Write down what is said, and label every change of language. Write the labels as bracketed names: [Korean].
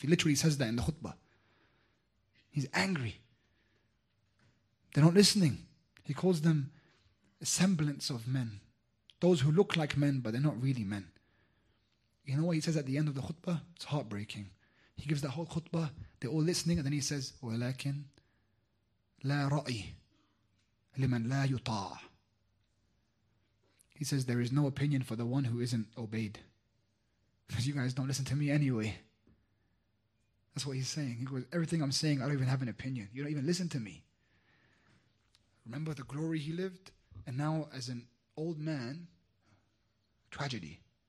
[English] He literally says that in the khutbah. He's angry. They're not listening. He calls them a semblance of men. Those who look like men, but they're not really men. You know what he says at the end of the khutbah? It's heartbreaking. He gives the whole khutbah. They're all listening. And then he says, [Arabic] وَلَكِنْ لَا رَأِي لِمَنْ لَا يُطَاعَ. [English] He says, there is no opinion for the one who isn't obeyed. Because you guys don't listen to me anyway. That's what he's saying. He goes, everything I'm saying, I don't even have an opinion. You don't even listen to me. Remember the glory he lived? And now as an old man, tragedy.